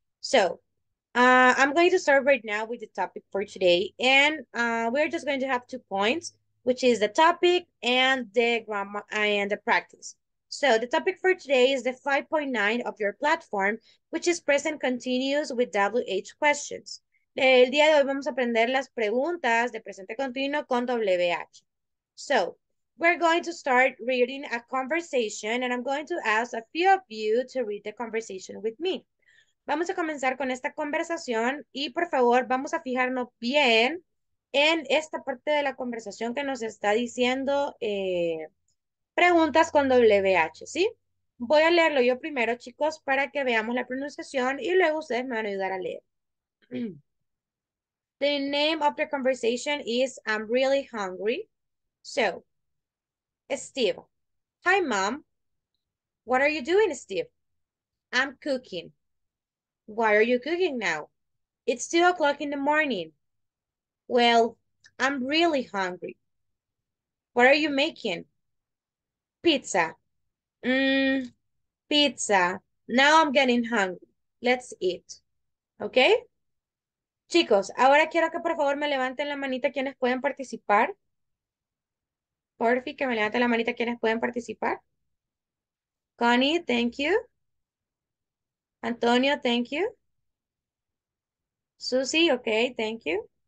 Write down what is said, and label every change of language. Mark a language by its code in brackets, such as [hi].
[en] So, I'm going to start right now with the topic for today, and we're just going to have 2 points. Which is the topic and the grammar and the practice. So the topic for today is the 5.9 of your platform, which is present continuous with WH questions. [es] El día de hoy vamos a aprender las preguntas de presente continuo con WH. [en] So we're going to start reading a conversation and I'm going to ask a few of you to read the conversation with me. [es] Vamos a comenzar con esta conversación y por favor vamos a fijarnos bien en esta parte de la conversación que nos está diciendo preguntas con WH, ¿sí? Voy a leerlo yo primero, chicos, para que veamos la pronunciación y luego ustedes me van a ayudar a leer. [en] The name of the conversation is I'm really hungry. So, Steve. Hi, mom. What are you doing, Steve? I'm cooking. Why are you cooking now? It's 2 o'clock in the morning. Well, I'm really hungry. What are you making? Pizza. Pizza. Now I'm getting hungry. Let's eat. Okay? [es] Chicos, ahora quiero que por favor me levanten la manita quienes pueden participar. Porfi, que me levanten la manita quienes pueden participar. [en] Connie, thank you. Antonio, thank you. Susie, okay, thank you.